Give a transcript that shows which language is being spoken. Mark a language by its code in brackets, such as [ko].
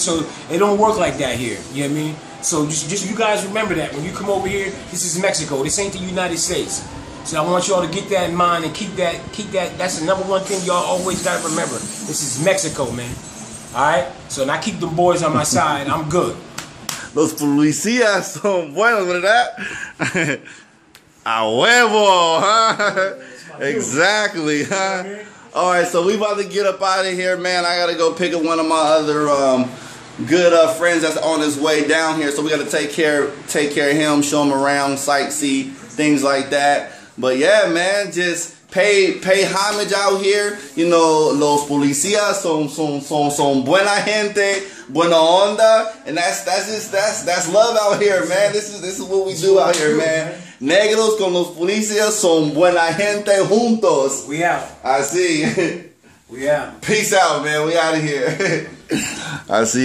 [en] So it don't work like that here. You know what I mean? So just you guys remember that. When you come over here, this is Mexico. This ain't the United States. So I want y'all to get that in mind and keep that. That's the number one thing y'all always got to remember. This is Mexico, man. All right? So, and I keep the boys on my side. I'm good. [es] Los policías son buenos, ¿verdad? A huevo, [en] huh? Exactly, huh? All right, so we about to get up out of here, man. I got to go pick up one of my other good friends that's on his way down here. So we got to take care of him, show him around, sightsee, things like that. But yeah, man, just pay homage out here. You know, [es] los policías son buena gente, buena onda, [en] and that's love out here, man. This is what we do out here, man. [es] Negros con los policías son buena gente juntos. [en] We out. I see. We out. Peace out, man. We out of here. I see.